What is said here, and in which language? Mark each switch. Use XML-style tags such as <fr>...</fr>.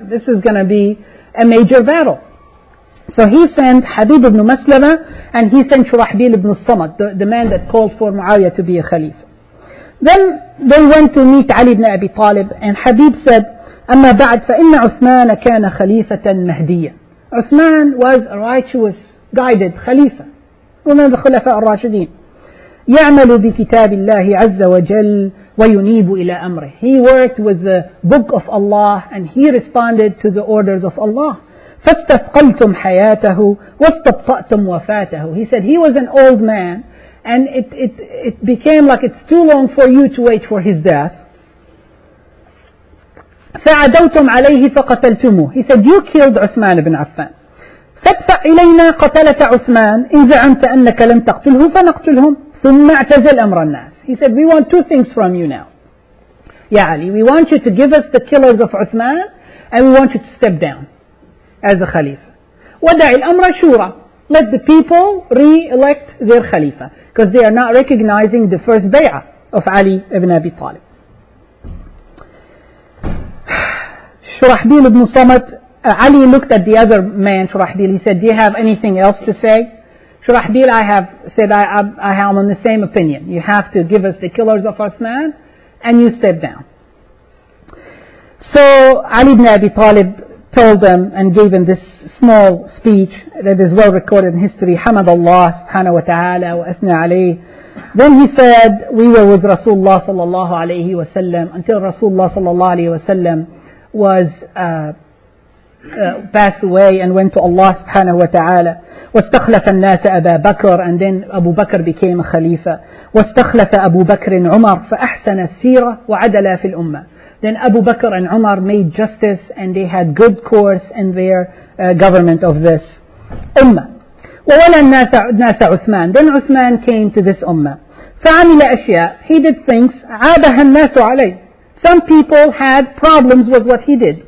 <en>This is going to be a major battle. So he sent Habib ibn Maslama, and he sent Shurahbil ibn Samad, the man that called for Muawiyah to be a khalifa. Then they went to meet Ali ibn Abi Talib, and Habib said,</en> <ar>أما بعد فإن عثمان كان خليفة مهدية.</ar> <en>Uthman was a righteous, guided خليفة.</en> <ar>ومن الخلفاء الراشدين. يعمل بكتاب الله عز وجل وينيب إلى أمره.</ar> <en>He worked with the book of Allah and he responded to the orders of Allah.</en> <ar>فاستثقلتم حياته واستبطأتم وفاته.</ar> <en>He said he was an old man and it became like it's too long for you to wait for his death.</en> <ar>فعدوتم عليه فقتلتموه.</ar> <en>He said, you killed Uthman ibn Affan.</en> <ar>فادفع إلينا قتلة عثمان إن زعمت أنك لم تقتله فنقتلهم ثم اعتزل أمر الناس.</ar> <en>He said, we want two things from you now. Ya Ali, we want you to give us the killers of Uthman and we want you to step down as a khalifa.</en> <ar>ودع الأمر شورى.</ar> <en>Let the people re-elect their khalifa, because they are not recognizing the first bay'ah of Ali ibn Abi Talib. Shurahbil ibn Samad, Ali looked at the other man, Shurahbil. He said, do you have anything else to say? Shurahbil, I'm on the same opinion. You have to give us the killers of Uthman, and you step down. So Ali ibn Abi Talib told them and gave him this small speech that is well recorded in history.</en> <ar>Hamad Allah subhanahu wa ta'ala wa athna alayhi.</ar> <en>Then he said, we were with Rasulullah sallallahu alayhi wa sallam until Rasulullah sallallahu alayhi wa sallam was passed away and went to Allah subhanahu wa ta'ala.</en> <ar>واستخلف الناس أبا بكر,</ar> <en>and then Abu Bakr became a khalifa.</en> <ar>واستخلف أبو بكر عمر فأحسن السيرة وعدل في الأمة.</ar> <en>Then Abu Bakr and Umar made justice and they had good course in their government of this ummah.</en> <ar>وولى الناس عثمان.</ar> <en>Then Uthman came to this ummah.</en> <ar>فعمل أشياء.</ar> <en>He did things.</en> <ar>عابها الناس عليه.</ar> <en>Some people had problems with what he did.</en>